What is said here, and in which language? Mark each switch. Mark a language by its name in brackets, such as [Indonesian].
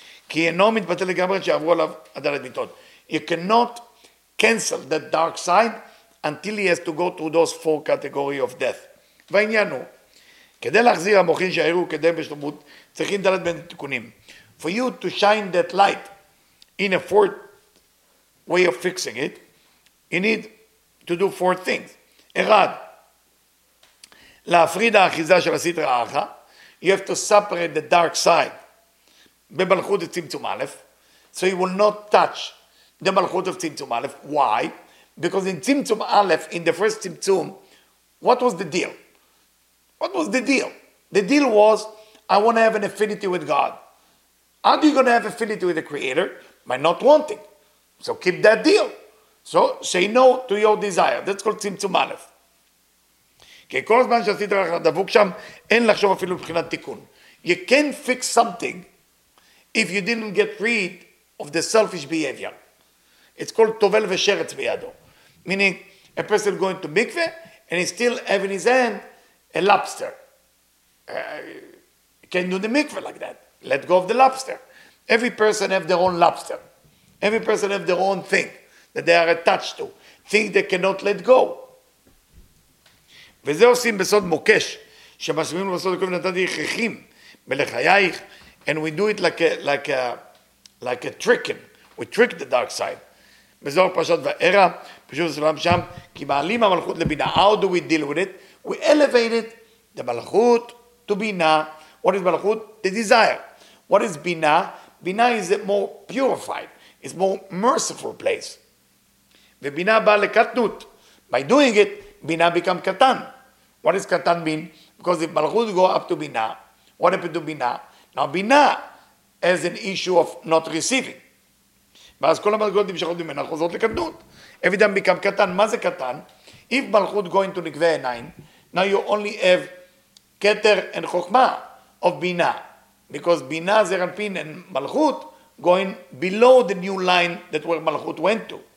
[English] You cannot cancel that dark side until he has to go through those four categories of death. For you to shine that light in a fourth way of fixing it, you need to do four things. [Hebrew] אחד, להפריד האחיזה של הסיטרה האחה, [English] you have to separate the dark side במלכות צמצום א', so you will not touch the מלכות of צמצום א', why? Because in צמצום א', in the first צמצום, what was the deal? What was the deal? The deal was, I want to have an affinity with God. How are you going to have affinity with the creator? By not wanting. So keep that deal. So, say no to your desire. That's called Tzimtzum Aleph. [Hebrew] Okay, כל הזמן שעשית רק דבוק שם, אין לחשוב אפילו מבחינת תיקון. [English] You can't fix something if you didn't get rid of the selfish behavior. It's called Tovel [Hebrew] ושרץ בידו. [English] Meaning, a person going to mikveh, and he's still having his hand, a lobster. You can't do the mikveh like that. Let go of the lobster. Every person have their own lobster. Every person have their own thing that they are attached to, things they cannot let go. [Hebrew] וזה עושים בסוד מוקש, שמשמעים בסוד הכל ונתתי הכרחים בלחייך, [English] and we do it like a tricking, we trick the dark side. [Hebrew] בזור פרשת וערה, פשוט סלם שם, כי מעלים המלכות לבינה, [English] how do we deal with it? We elevate it, the מלכות to בינה, what is מלכות? The desire. What is בינה? בינה is a more purified, it's more merciful place. [Hebrew] ובינה באה לקטנות. [English] By doing it, בינה become קטן. What does קטן mean? Because if מלכות go up to בינה, what happened to בינה? Now בינה has an issue of not receiving. [Hebrew] ואז כל המלכות נמשכות ממנה, חוזרות לקטנות. [English] Every time become [Hebrew] קטן. מה זה קטן? [English] If מלכות go into נקבי עיניים, now you only have כתר and חוכמה of בינה. Because בינה זה רנפין and מלכות going below the new line that where מלכות went to.